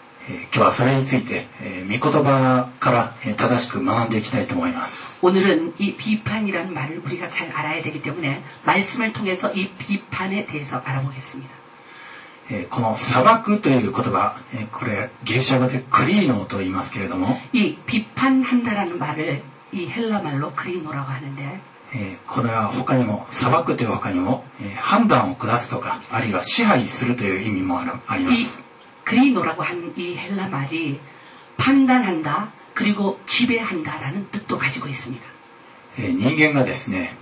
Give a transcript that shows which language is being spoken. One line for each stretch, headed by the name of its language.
Japanese: 今日はそれについて御言葉から正しく学んでいきたいと思います。
Korean: 오늘은이비판이라는말을우리가잘알아야되기때문에말씀을통해서이비판에대해서알아보겠습니다。
Japanese: この裁くという言葉、これギリシャ語でクリーノと言いますけれども、
Korean: 이비판한다라는말을이헬라말로크리노라고하는데
Japanese: これは他にも裁くという他にも判断を下すとかあるいは支配するという意味もあります。
Korean: 이 크리노라고하는이헬라말이판단한다그리고지배한다라는뜻도가지고있습니다
Japanese: 人間がですね